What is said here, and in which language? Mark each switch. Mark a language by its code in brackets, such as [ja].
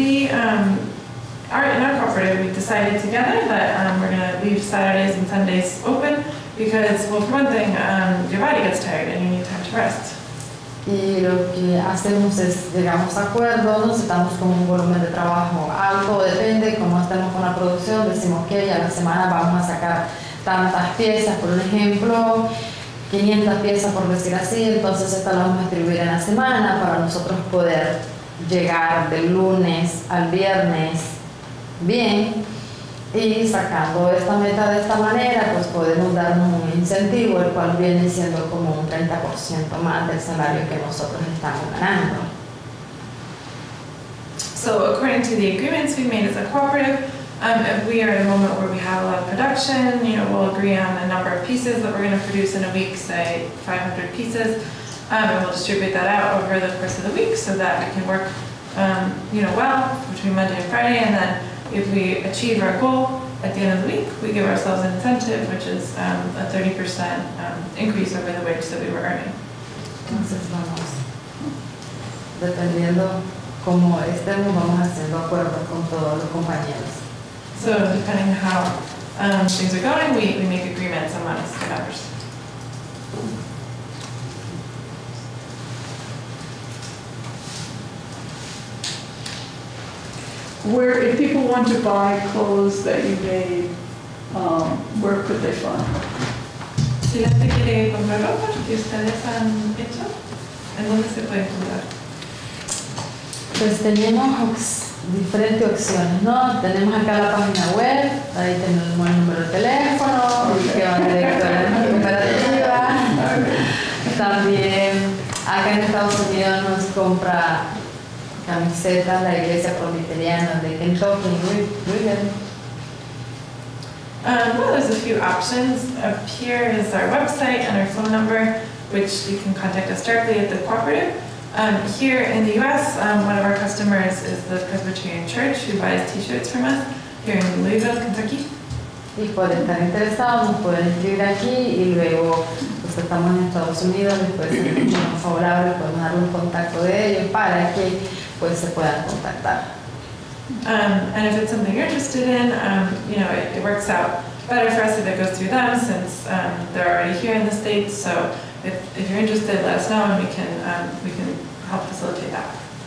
[en] In our cooperative, we decided together that we're going to leave Saturdays and Sundays open because, well, for one thing, your body gets tired and you need time to rest. [es] Y lo que hacemos es llegamos a acuerdos, nos estamos con un volumen de trabajo alto, depende cómo estemos con la producción, decimos que ya la semana vamos a sacar tantas piezas, por ejemplo, 500 piezas por decir así, entonces estas las vamos a distribuir en la semana para nosotros poder llegar del lunes al viernes bien. Y sacando esta meta de esta manera, pues podemos darnos un incentivo, el cual viene siendo como un 30% más del salario que nosotros estamos ganando. [en] So, according to the agreements we made as a cooperative, if we are in a moment where we have a lot of production, you know, we'll agree on the number of pieces that we're going to produce in a week, say 500 pieces, and we'll distribute that out over the course of the week so that we can work, you know, well between Monday and Friday, and then if we achieve our goal at the end of the week, we give ourselves an incentive, which is a 30% increase over the wage that we were earning. [es] Entonces vamos, dependiendo cómo estemos, vamos haciendo acuerdos con todos los compañeros. [en] So depending on how things are going, we make agreements amongst the members. Where, if people want to buy clothes that you made, where could they find them? [es] Si la gente quiere comprar ropa que ustedes han hecho, ¿en dónde se puede comprar? Pues tenemos diferentes opciones, ¿no? Tenemos acá la página web, ahí tenemos el número de teléfono, que va directo a la cooperativa. También acá en Estados Unidos nos compra camisetas, la iglesia presbiteriana de Kentucky, muy bien. [en] Well, there's a few options. Up here is our website and our phone number, which you can contact us directly at the cooperative. Here in the U.S., one of our customers is the Presbyterian Church, who buys t-shirts from us here in Louisville, Kentucky. [es] Y por estar interesado, nos pueden escribir aquí y luego, pues estamos en Estados Unidos, les puede ser mucho más favorable, podemos dar un contacto de ellos para que pues se puedan contactar. [en] And if it's something you're interested in, you know, it works out better for us if it goes through them, since they're already here in the States. So if you're interested, let us know and we can help facilitate that.